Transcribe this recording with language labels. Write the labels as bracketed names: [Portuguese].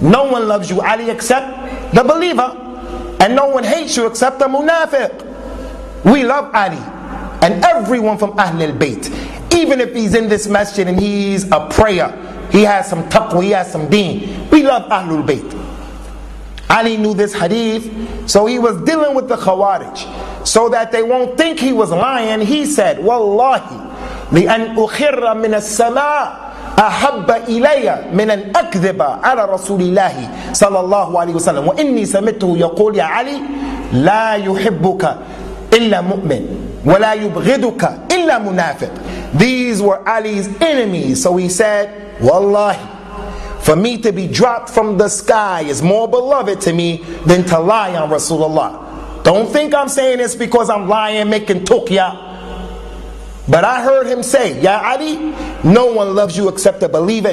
[English] No one loves you, Ali, except the believer. And no one hates you except the munafiq. We love Ali. And everyone from Ahlul Bayt. Even if he's in this masjid and he's a prayer, he has some taqwa, he has some deen. We love Ahlul Bayt. Ali knew this hadith. So he was dealing with the Khawarij. So that they won't think he was lying, he said, Wallahi, [Arabic] لأن أخر من السماء أحب إلي من أن أكذب على رسول الله صلى الله عليه وسلم وإني سمعته يقول يا علي لا يحبك إلا مؤمن ولا يبغضك إلا منافق. [English] These were Ali's enemies. So he said, والله, for me to be dropped from the sky is more beloved to me than to lie on Rasulullah. Don't think I'm saying this because I'm lying, making tokia. But I heard him say, Ya Ali, no one loves you except a believer.